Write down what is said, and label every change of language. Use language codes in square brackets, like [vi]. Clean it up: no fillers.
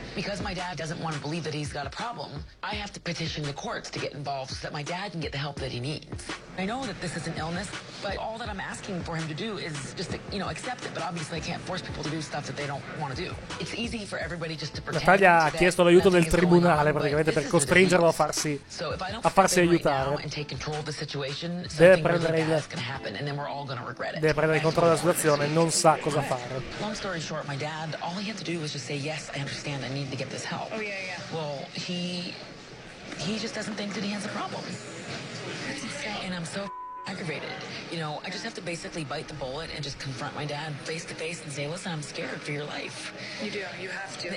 [en] Because my dad doesn't want to believe that he's got a problem, I have to petition the courts to get involved so that my dad can get the help that he needs. I know that this is an illness, but all that I'm asking for him to do is just to, you know, accept it. But obviously I can't force people to do stuff that they don't want to do. It's easy for everybody just to pretend. [it] Natalia ha chiesto l'aiuto del tribunale praticamente per costringerlo a farsi aiutare. [en] And take control of the situation, [it] deve prendere il controllo della situazione e non sa cosa fare. [en] Long story short, my dad, all he had to do was just say, yes, I understand, I need to get this help. Oh, yeah. Well, he just doesn't think that he has a problem. And I'm so aggravated. You know, I just have to basically bite the bullet and just confront my dad face to face and say, listen, I'm scared for your life. You do. You have to.